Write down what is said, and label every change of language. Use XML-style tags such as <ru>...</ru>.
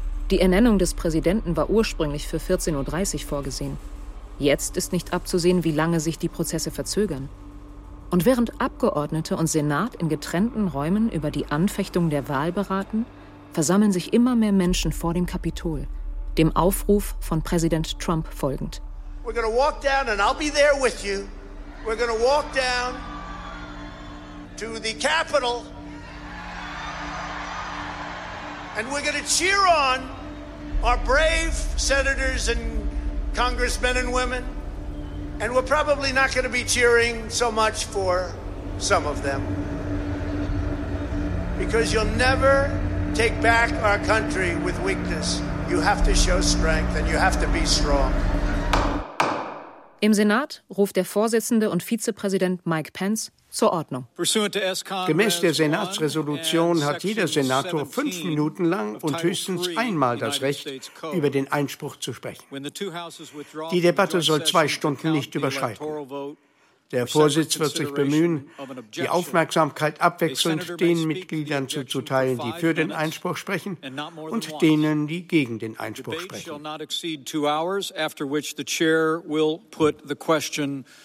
<de>Die Ernennung des Präsidenten war ursprünglich für 14.30 Uhr vorgesehen. Jetzt ist nicht abzusehen, wie lange sich die Prozesse verzögern. Und während Abgeordnete und Senat in getrennten Räumen über die Anfechtung der Wahl beraten, versammeln sich immer mehr Menschen vor dem Kapitol, dem Aufruf von Präsident Trump folgend.</de> <en>We're going to walk down and I'll be there with you. We're going to walk down to the Capitol. And we're going to cheer on our brave senators and congressmen and women. And we're probably not going to be cheering so much for some of them. Because you'll never take back our country with weakness. You have to show strength and you have to be strong.</en> <de>Im Senat ruft der Vorsitzende und Vizepräsident Mike Pence zur Ordnung. Gemäß der Senatsresolution hat jeder Senator 5 Minuten lang und höchstens einmal das Recht, über den Einspruch zu sprechen. Die Debatte soll 2 Stunden nicht überschreiten. Der Vorsitz wird sich bemühen, die Aufmerksamkeit abwechselnd den Mitgliedern zuzuteilen, die für den Einspruch sprechen und denen, die gegen den Einspruch sprechen.</de>